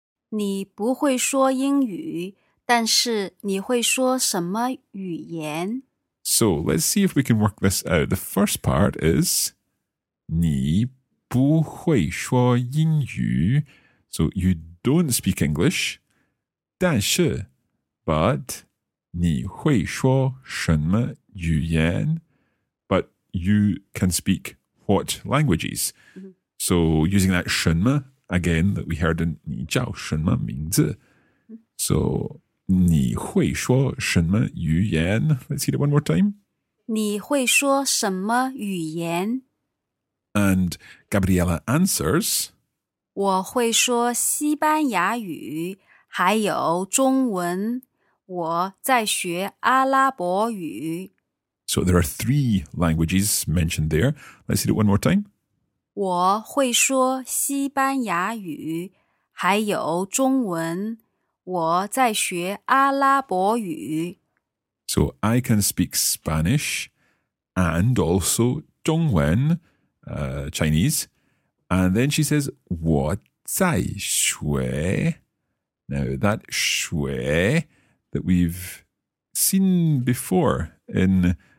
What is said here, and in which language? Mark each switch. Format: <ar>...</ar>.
<zh>你不会说英语,但是你会说什么语言?</zh> <en>So let's see if we can work this out. The first part is, 你不会说英语。 So you don't speak English, 但是, but 你会说什么语言? You can speak what languages? So using that 什么 again that we heard in 你叫什么名字 So 你会说什么语言 Let's hear it one more time.</en> <zh>你会说什么语言</zh> <en>And Gabriella answers.</en> <zh>我会说西班牙语还有中文我在学阿拉伯语</zh> <en>So there are three languages mentioned there. Let's hear it one more time.</en> <zh>我会说西班牙语,还有中文。我在学阿拉伯语。</zh> <en>So I can speak Spanish and also 中文, Chinese. And then she says, 我在学。 Now that 学 that we've seen before in...</en>